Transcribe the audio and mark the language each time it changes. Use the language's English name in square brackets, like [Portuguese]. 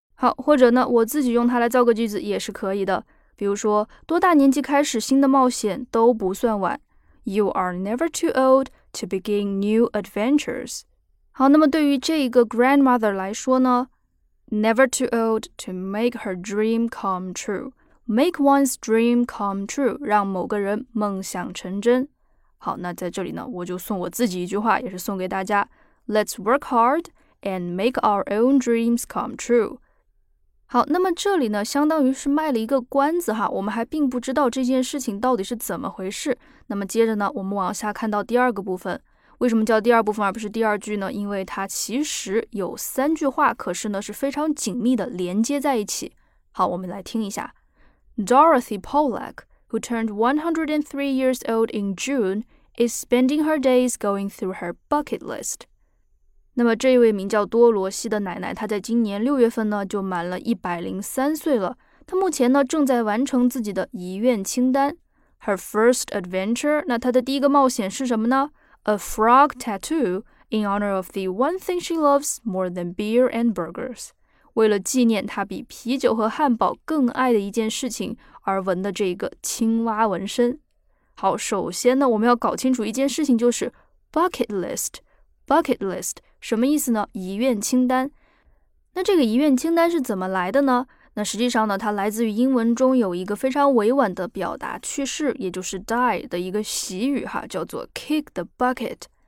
[Chinese] 好，或者呢我自己用它来造个句子也是可以的，比如说多大年纪开始新的冒险都不算晚， [English] You are never too old to begin new adventures。 [Chinese] 好，那么对于这一个 [English] grandmother [Chinese] 来说呢， [English] Never too old to make her dream come true. Make one's dream come true. [Chinese] 让某个人梦想成真。好，那在这里呢，我就送我自己一句话，也是送给大家。 [English] Let's work hard and make our own dreams come true. [Chinese] 好，那么这里呢，相当于是卖了一个关子哈，我们还并不知道这件事情到底是怎么回事。那么接着呢，我们往下看到第二个部分。为什么叫第二部分而不是第二句呢？因为它其实有三句话，可是呢是非常紧密的连接在一起。好，我们来听一下。 [English] Dorothy Pollack, who turned 103 years old in June, is spending her days going through her bucket list. [Chinese] 那么这位名叫多罗西的奶奶，她在今年6月份呢就满了103岁了。她目前呢正在完成自己的遗愿清单。 [English] Her first adventure, [Chinese] 那她的第一个冒险是什么呢？ [English] A frog tattoo in honor of the one thing she loves more than beer and burgers. [Chinese] 为了纪念她比啤酒和汉堡更爱的一件事情而纹的这个青蛙纹身。好，首先呢，我们要搞清楚一件事情，就是 bucket list. Bucket list 什么意思呢？遗愿清单。那这个遗愿清单是怎么来的呢？那实际上呢，它来自于英文中有一个非常委婉的表达去世，也就是 die 的一个习语哈，叫做 [English] kick the bucket。